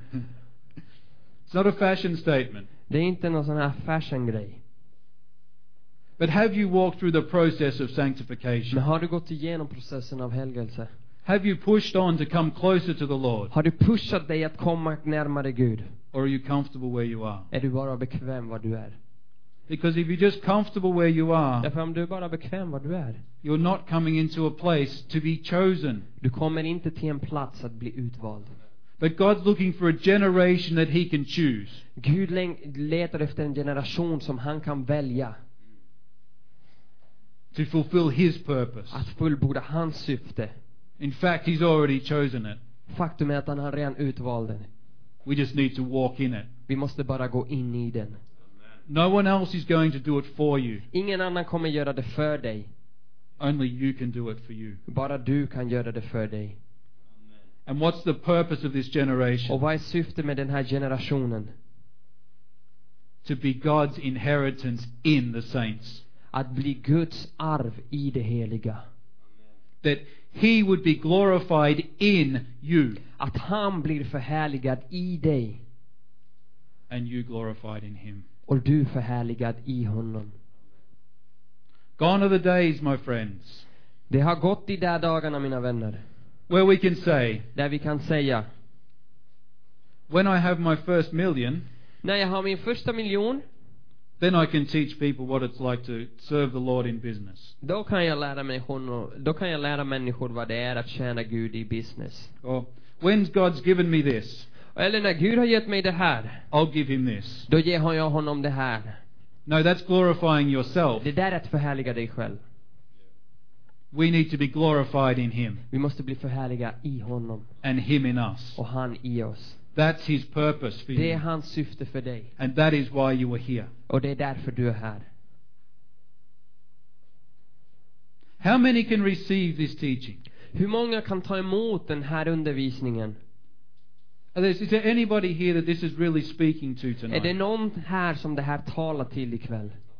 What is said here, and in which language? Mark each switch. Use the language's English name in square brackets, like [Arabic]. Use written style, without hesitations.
[English] It's not a fashion statement. [Swedish] Det är inte någon sån här fashion grej. [English] But have you walked through the process of sanctification? [Swedish] Men har du gått igenom processen av helgelse? [English] Have you pushed on to come closer to the Lord? [Swedish] Har du pushat dig att komma närmare Gud? [English] Or are you comfortable where you are? [Swedish] Är du bara bekväm var du är? [English] Because if you're just comfortable where you are, [Swedish] därför om du bara bekväm var du är, [English] you're not coming into a place to be chosen. [Swedish] Du kommer inte till en plats att bli utvald. [English] But God's looking for a generation that he can choose. [Swedish] Gud letar efter en generation som han kan välja. [English] To fulfill his purpose. [Swedish] Att fullborda hans syfte. [English] In fact, he's already chosen it. [Swedish] Faktum är att han har redan utvald den. [English] We just need to walk in it. [Swedish] Vi måste bara gå in i den. [English] No one else is going to do it for you. [Swedish] Ingen annan kommer göra det för dig. [English] Only you can do it for you. [Swedish] Bara du kan göra det för dig. [English] And what's the purpose of this generation? [Swedish] Och vad är syftet med den här generationen? [English] To be God's inheritance in the saints. [Swedish] Att bli Guds arv i det heliga. [English] That he would be glorified in you. [Swedish] Att han blir förhärligad i dig. [English] And you glorified in him. [Swedish] Och du förhärligad i honom. [English] Gone are the days, my friends. [Swedish] Det har gått de där dagarna, mina vänner. [English] Where we can say, [Swedish] där vi kan säga, [English] when I have my first million, [Swedish] när jag har min första miljon, [English] then I can teach people what it's like to serve the Lord in business. [Swedish] Då kan jag lära människor vad det är att tjäna Gud i business. [English] Or, when's God's given me this? [Swedish] Eller när Gud har gett mig det här, [English] I'll give him this. [Swedish] Då ger jag honom det här. [English] No, that's glorifying yourself. [Swedish] Det där är att förhärliga dig själv. [English] We need to be glorified in him. [Swedish] Vi måste bli förhärliga i honom. [English] And him in us. [Swedish] Och han i oss. [English] That's his purpose for you. [Swedish] Det är hans syfte för dig. [English] And that is why you are here. [Swedish] Och det är därför du är här. [English] How many can receive this teaching? [Swedish] Hur många kan ta emot den här undervisningen? [English] Is there anybody here that this is really speaking to tonight? [Swedish] Är det någon här som det här talar till ikväll?